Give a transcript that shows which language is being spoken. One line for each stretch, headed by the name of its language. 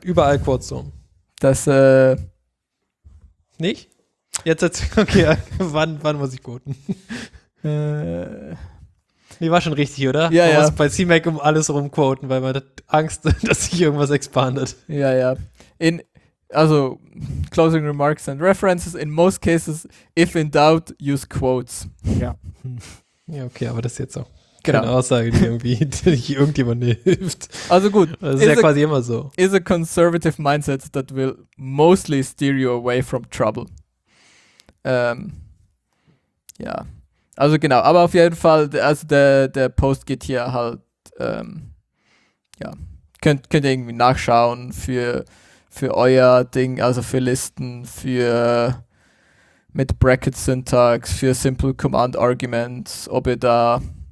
German: Überall Quotes drum. Das, Nicht? Jetzt erzähl, okay, wann muss ich quoten? Nee, war schon richtig, oder? Ja, ja. Bei CMake um alles rumquoten, weil man hat Angst, dass sich irgendwas expandet. Ja, ja. Also,
English: closing remarks and references. In most cases, if in doubt, use quotes.
German: Ja. Ja, okay, aber das ist jetzt auch genau. Keine Aussage, die irgendwie die irgendjemandem hilft. Also gut. Das ist ja quasi immer so.
English: Is a conservative mindset that will mostly steer you away from trouble.
German: Ja. Also genau, aber auf jeden Fall, also der Post geht hier halt, ja, könnt ihr irgendwie nachschauen für euer Ding, also für Listen, für mit Bracket Syntax, für Simple Command Arguments, ob ihr da